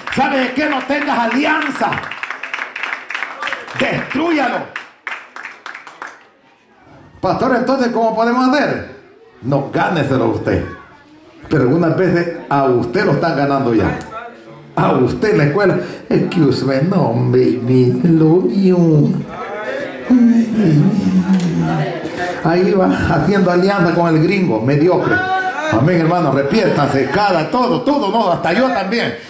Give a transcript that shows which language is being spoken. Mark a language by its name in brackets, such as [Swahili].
[Spanish] ¿Sabe de qué? No tengas alianza. Destrúyalo. Pastor, entonces, ¿cómo podemos hacer? No, gáneselo a usted. Pero algunas veces a usted lo están ganando ya. A usted en la escuela. [English] Excuse me, no, baby, love you. [Spanish] Ahí va haciendo alianza con el gringo, mediocre. Amén, hermano, arrepiéntase, cada, todo, no, hasta yo también.